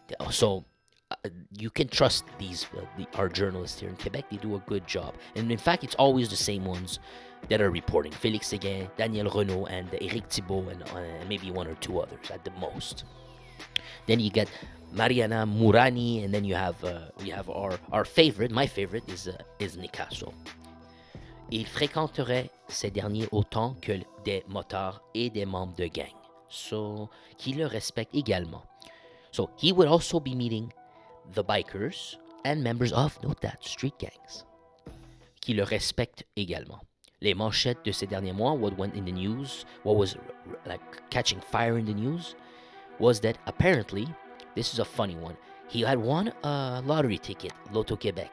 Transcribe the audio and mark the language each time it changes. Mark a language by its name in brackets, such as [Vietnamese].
[English] So, you can trust these our journalists here in Quebec. They do a good job. And in fact, it's always the same ones that are reporting. Félix Séguin, Daniel Renault, and Éric Thibault, and maybe one or two others at the most. Then you get Mariana Murani, and then you have our favorite. My favorite is Nicasso. [French] Il fréquenterait ces derniers autant que des motards et des membres de gang. So, qui le respecte également. [English] So, he would also be meeting the bikers and members of, note that, street gangs, [French] qui le respectent également. Les manchettes de ces derniers mois, [English] what went in the news, what was like catching fire in the news, was that apparently, this is a funny one, he had won a lottery ticket, Loto Quebec.